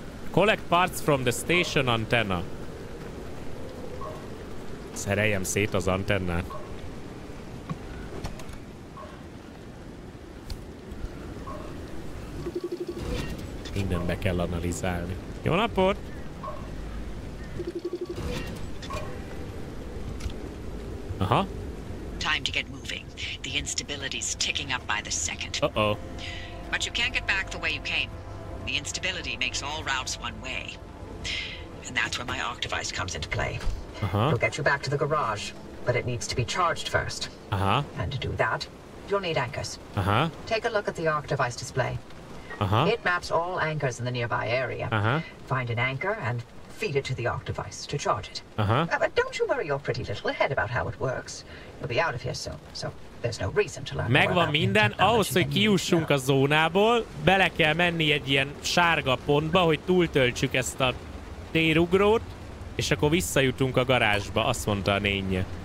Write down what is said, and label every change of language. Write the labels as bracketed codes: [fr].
[en] Collect parts from the station antenna. [hu] Szereljem szét az antennát. Minden be kell analizálni. Jó napot! Aha. [en] Time to get moving. The instability's ticking up by the second. Uh-oh. But you can't get back the way you came. The instability makes all routes one way. And that's where my arc device comes into play. Uh-huh. It'll get you back to the garage, but it needs to be charged first. Uh-huh. And to do that, you'll need anchors. Uh-huh. Take a look at the arc device display. Uh-huh. It maps all anchors in the nearby area. Uh-huh. Find an anchor and feed it to the arc device to charge it. Uh-huh. But don't you worry your pretty little head about how it works. You'll be out of here soon, so there's no reason to learn. [hu] Megvan minden, ahhoz, hogy kijussunk a zónából, bele kell menni egy ilyen sárga pontba, hogy túltöltsük ezt a térugrót, és akkor visszajutunk a garázsba, azt mondta a nénye.